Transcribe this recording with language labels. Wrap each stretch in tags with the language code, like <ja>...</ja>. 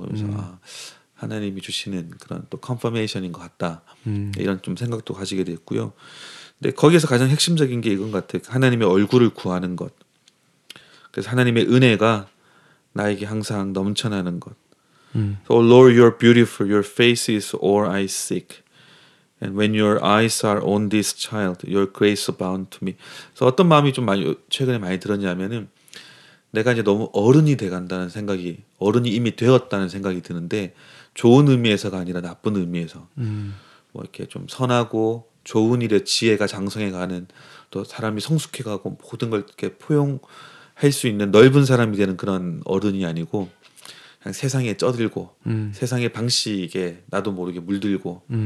<ko>그래서 아, 하나님이 주시는 그런 또 컨퍼메이션인 것 같다. 이런 좀 생각도 가지게 됐고요. 근데 거기에서 가장 핵심적인 게 이건 같아요. 하나님의 얼굴을 구하는 것. 그래서 하나님의 은혜가 나에게 항상 넘쳐나는 것.</ko> <en>So Lord, you're beautiful. Your face is all I seek. And when your eyes are on this child, your grace abound to me.</en> <ko>So 어떤 마음이 좀 많이 최근에 많이 들었냐면은 내가 이제 너무 어른이 돼간다는 생각이 어른이 이미 되었다는 생각이 드는데 좋은 의미에서가 아니라 나쁜 의미에서 뭐 이렇게 좀 선하고 좋은 일에 지혜가 장성해가는 또 사람이 성숙해가고 모든 걸 이렇게 포용할 수 있는 넓은 사람이 되는 그런 어른이 아니고 그냥 세상에 쩌들고 세상의 방식에 나도 모르게 물들고</ko>